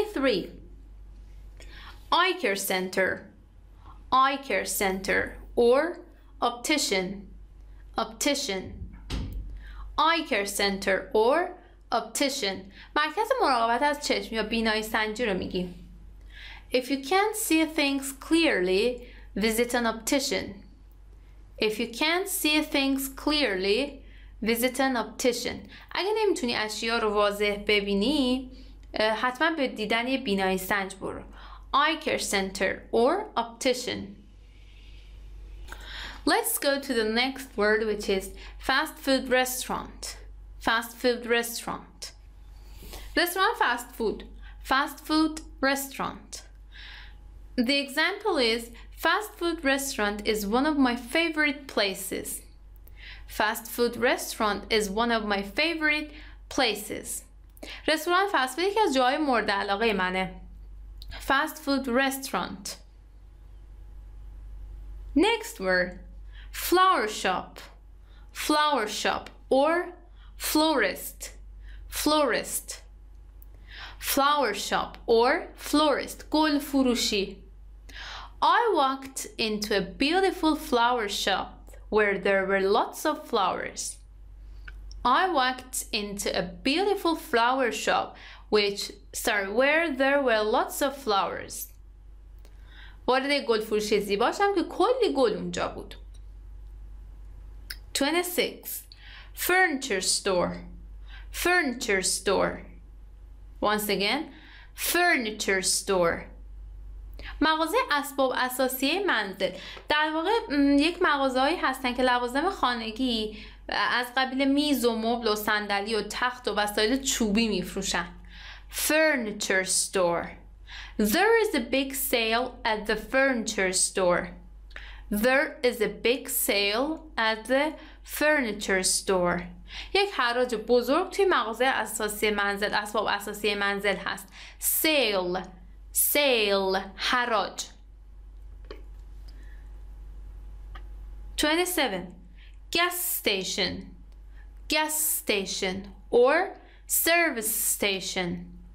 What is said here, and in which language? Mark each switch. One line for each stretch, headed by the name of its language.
English: 23. Eye care center. Eye care center or optician. Optician. Eye care center or optician.
Persian: مرکز مراقبت از چشم یا بینایی سنجی رو میگیم.
English: If you can't see things clearly, visit an optician. If you can't see things clearly, visit an optician.
Persian: اگه نمیتونی اشیا رو واضح ببینی، حتما به دیدن یه بینایی سنج برو.
English: Eye care center or optician. Let's go to the next word, which is fast food restaurant. Fast food restaurant. Restaurant fast food. Fast food restaurant. The example is fast food restaurant is one of my favorite places. Fast food restaurant is one of my favorite places.
Persian: رستوران فست فود یکی از جاهای مورد علاقه منه.
English: Fast food restaurant. Next word. Flower shop. Flower shop or florist. Florist. Flower shop or florist.
Persian: گل فروشی.
English: I walked into a beautiful flower shop where there were lots of flowers. I walked into a beautiful flower shop where there were lots of flowers.
Persian: وارد گل فروشی زیبا شدم که کلی گل اونجا بود.
English: 26. Furniture store. Furniture store. Once again, furniture store.
Persian: مغازه اسباب اساسیه منزل. در واقع یک مغازه‌ای هستن که لوازم خانگی از قبیل میز و مبل و صندلی و تخت و وسایل چوبی میفروشن.
English: Furniture store. There is a big sale at the furniture store. There is a big sale at the furniture store.
Persian: یک حراج بزرگ توی مغازه اساسی منزل، اسباب اساسی منزل هست.
English: Sale. Sale. حراج. 27. Gas station. Gas station or service station.